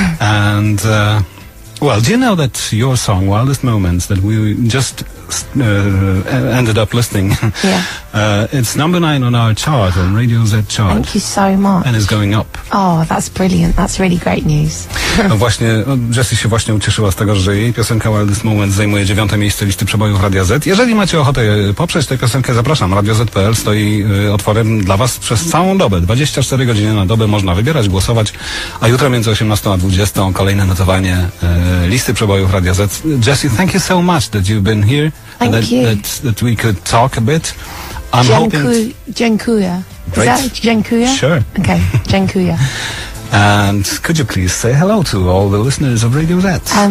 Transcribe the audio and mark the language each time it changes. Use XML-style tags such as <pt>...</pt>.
<en>And, well, do you know that your song, Wildest Moments, that we just ended up listening. Yeah. It's number 9 on our chart, on Radio Z chart. Thank you so much. And it's going up. Oh, that's brilliant. That's really great news.</en> <pl>No właśnie, Jessie się właśnie ucieszyła z tego, że jej piosenka Wildest Moment zajmuje 9 miejsce listy przebojów Radia Z. Jeżeli macie ochotę poprzeć tę piosenkę, zapraszam. Radio Z.pl stoi otworem dla was przez całą dobę. 24 godziny na dobę można wybierać, głosować. A jutro między 18 a 20 kolejne notowanie listy przebojów Radia Z.</pl> <en>Jessie, thank you so much that you've been here. Thank that, you. That we could talk a bit. I'm hoping.</en> <pl>Dziękuję.</pl> <en>Is that</en> <pl>dziękuję?</pl> <en>Sure. Okay.</en> <pl>Dziękuję.</pl> <en>And could you please say hello to all the listeners of Radio Z?</en>